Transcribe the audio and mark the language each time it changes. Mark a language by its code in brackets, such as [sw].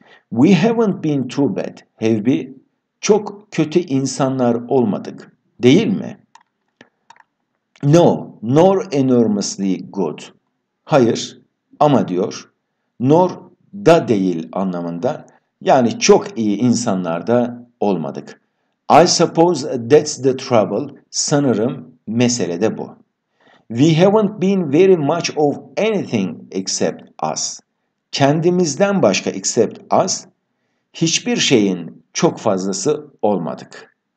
[en] We haven't been too bad, have we? [tr] Çok kötü insanlar olmadık, değil mi? [en] No, nor enormously good. [tr] Hayır, ama diyor, nor da değil anlamında, yani çok iyi insanlar da olmadık. [en] I suppose that's the trouble, [tr] sanırım mesele de bu. [en] We haven't been very much of anything except us. [tr] Kendimizden başka [en] except us, [tr] hiçbir şeyin çok fazlası olmadık.